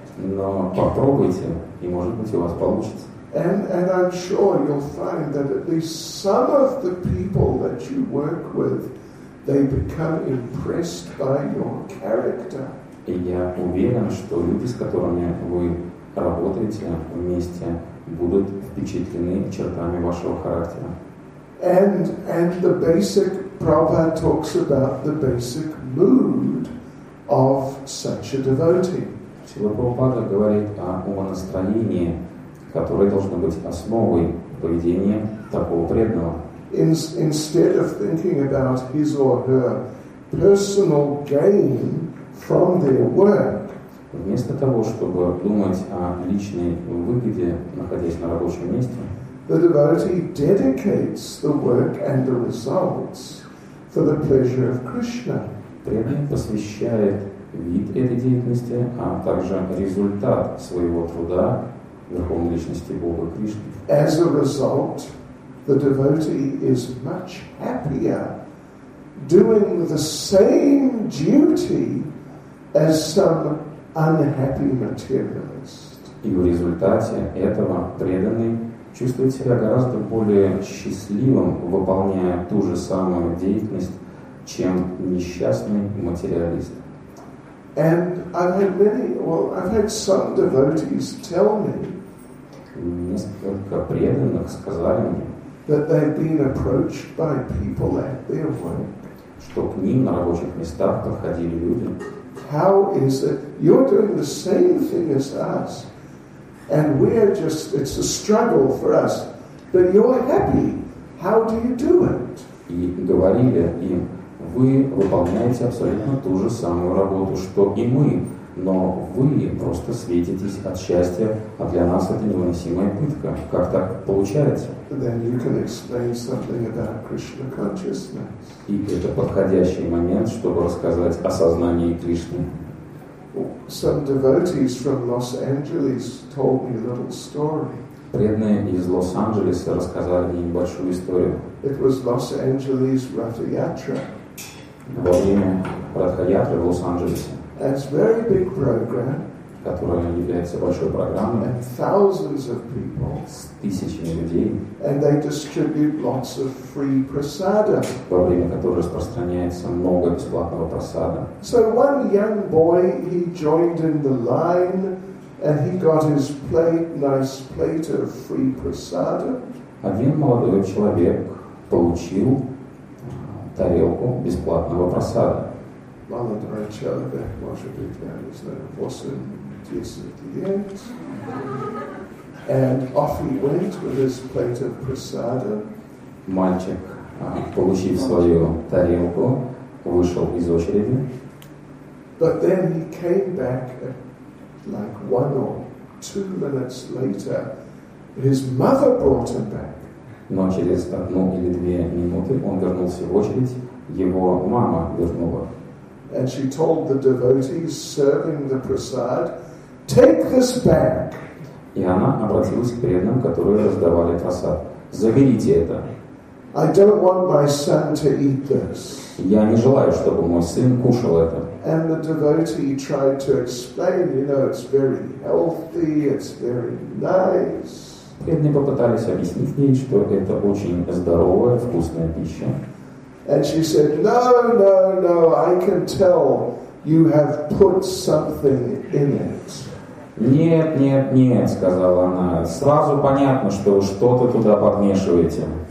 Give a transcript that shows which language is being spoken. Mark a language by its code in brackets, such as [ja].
[ru] Но попробуйте, и может быть у вас получится. [en] And I'm sure you'll find that at least some of the people that you work with, they become impressed by your character. [ru] И я уверен, что люди, с которыми вы работаете вместе, будут впечатлены чертами вашего характера. [en] And the basic Prabhupada talks about the basic mood of such a devotee. [ru] Шрила Прабхупада говорит о умонастроении, которое должно быть основой поведения такого преданного. [en] Instead of thinking about his or her personal gain from their work, [ru] вместо того, чтобы думать о личной выгоде, находясь на рабочем месте, [en] the devotee dedicates the work and the results for the pleasure of Krishna. [ru] Преданный посвящает вид этой деятельности, а также результат своего труда Верховной Личности Бога Кришны. [en] As a result, the devotee is much happier doing the same duty as some unhappy materialist. [ru] И в результате этого преданный чувствует себя гораздо более счастливым, выполняя ту же самую деятельность, чем несчастный материалист. [en] And I've had some devotees tell me, [ru] несколько преданных сказали мне, [en] that they've been approached by people at their work, [ru] что к ним на рабочих местах подходили люди. [en] How is it you're doing the same thing as us, and we're just, it's a struggle for us, but you're happy. How do you do it? [ru] И говорили им, вы выполняете абсолютно ту же самую работу, что и мы, но вы просто светитесь от счастья, а для нас это невыносимая пытка. Как так получается? [en] Then you can explain something about Krishna consciousness. [ru] И это подходящий момент, чтобы рассказать о сознании Кришны. [en] Some devotees from Los Angeles told me a little story. [ru] Преданные из Лос-Анджелеса рассказали мне небольшую историю. [en] It was Los Angeles Ratha-yatra. [ru] Во время Ратха-ятры в Лос-Анджелесе. [en] It's a very big program, [ru] которая является большой программой, [en] and thousands of people, [ru] с тысячами людей, [en] and they distribute lots of free prasada, [ru] во время которой распространяется много бесплатного просада. [en] So one young boy, he joined in the line, and he got his plate, nice plate of free prasada. [ru] Один молодой человек получил тарелку бесплатного просада. Мало того, человек может быть, я не знаю, 8-10 лет. [en] And off he went with his plate of prasada. [ru] Мальчик, получив свою тарелку, вышел из очереди. [en] But then he came back like 1 or 2 minutes later. His mother brought him back. [ru] Но через 1 или 2 минуты он вернулся в очередь, его мама вернула. [en] And she told the devotees serving the prasad, take this back. [ru] И она обратилась к преданным, которые раздавали просад. Заберите это. [en] I don't want my son to eat this. [ru] Я не желаю, чтобы мой сын кушал это. [en] And the devotee tried to explain, you know, it's very healthy, it's very nice. [ru] Преданные попытались объяснить ей, что это очень здоровая, вкусная пища. [en] And she said, no, no, no, I can tell you have put something in it. [ru] Нет, нет, нет, сказала она. Сразу понятно, что вы что-то туда подмешиваете.